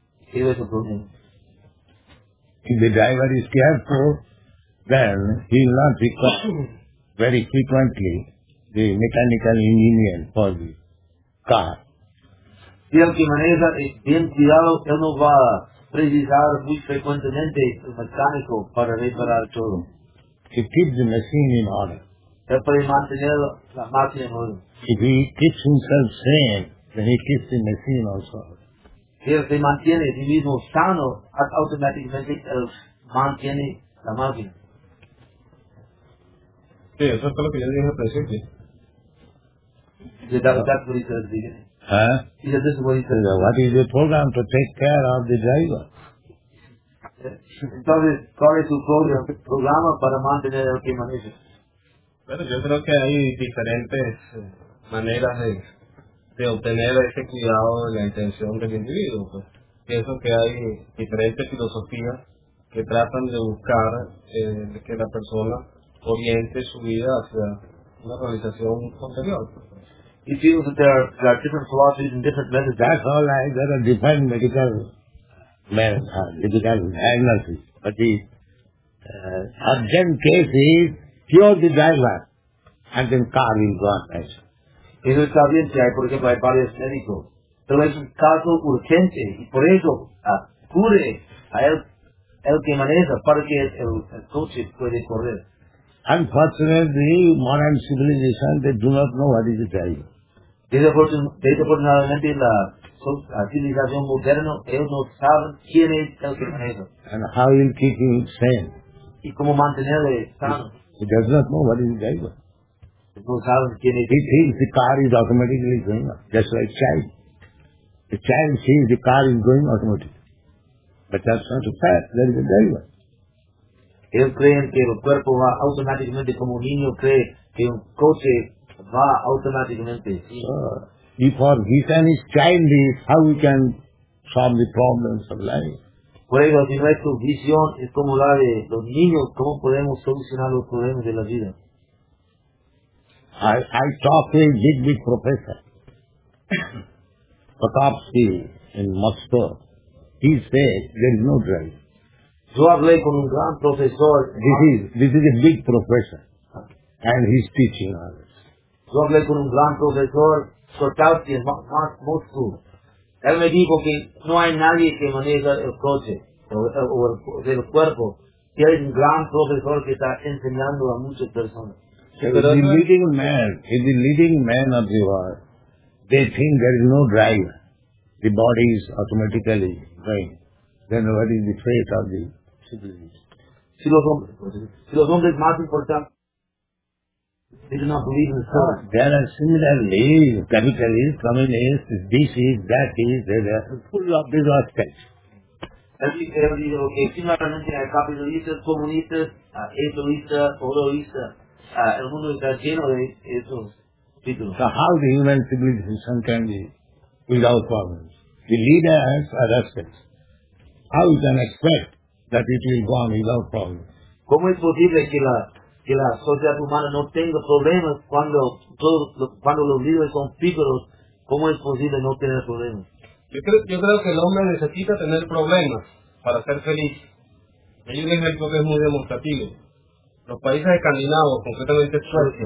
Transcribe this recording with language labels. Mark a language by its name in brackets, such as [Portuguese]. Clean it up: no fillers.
[Spanish] ¿Qué es el problema? [English] If the driver is careful, then he will not become very frequently the mechanical engineer for the car. [Spanish] Si el que maneja es bien cuidado, él no va a precisar muy frecuentemente el mecánico para reparar todo. [English] He keeps the machine in order. [Spanish] Él puede mantener la máquina en orden. [English] If he keeps himself sane, then he keeps the machine also. [Spanish] Si él se mantiene a sí mismo sano, automáticamente él mantiene la máquina. Sí, eso es lo que yo dije al principio. [English] Sí, that's what he said at the beginning. Huh? He said, this is what he said. So what is the program to take care of the driver? [Spanish] Entonces, ¿cuál es su programa para mantener el que maneja? Bueno, yo creo que hay diferentes maneras de obtener ese cuidado de la intención del individuo. Pues pienso que hay diferentes filosofías que tratan de buscar que la persona oriente su vida hacia una realización posterior. [English] It feels that there are different philosophies and different methods. That's all right. There are different medical diagnoses. But the urgent case is cure the driver, and then car will go on. [Spanish] Eso está bien, si hay, por ejemplo, hay varios médicos. Pero es un caso urgente, y por eso, cure a el que maneja, para que el coche puede correr. [English] Unfortunately, modern civilization, they do not know what is the driver. [Spanish] Desafortunadamente, la civilización moderna, ellos no saben quién es el que maneja. [English] And how you keep him sane. [Spanish] Y cómo mantenerle sano. [English] He does not know what is the driver. He thinks the car is automatically going on. Just like child. The child sees the car is going automatically. But that's not a fact. There is a driver. [Spanish] Él cree que el cuerpo va automáticamente como un niño cree que un coche va automáticamente. [English] So, if our vision is childish, how we can solve the problems of life? [Spanish] Por eso, si nuestra visión es como la de los niños, ¿cómo podemos solucionar los problemas de la vida? [English] I talked a big, big professor, Potapsky in Moscow. He said there is no drive. [Spanish] Yo hablé con un gran profesor. [English] This is a big professor, and he's teaching others. [Spanish] Yo hablé con un gran profesor, Potapsky [English] in Moscow. [Spanish] Él me dijo que no hay nadie que maneja el coche o el cuerpo. Que hay un gran profesor que está enseñando a muchas personas. [English] The leading man of the world, they think there is no drive. The body is automatically going. Then what is the fate of the civilization? [Spanish] Si los hombres más importantes, [English] they do not believe in the soul. There are similarly capitalists, communists, this is, that is, they are full of these aspects. Okay, similarly, [Spanish] hay capitalistas, comunistas, egoístas, odoístas. El mundo está lleno de esos títulos. [English] So how the human civilization can be without problems? The leaders are aspects. How you can expect that it will go on without problems? [Spanish] ¿Cómo es posible que la sociedad humana no tenga problemas cuando los líderes son títulos? ¿Cómo es posible no tener problemas? Yo creo que el hombre necesita tener problemas para ser feliz. Hay un ejemplo que es muy demostrativo. Los países escandinavos, concretamente Suecia,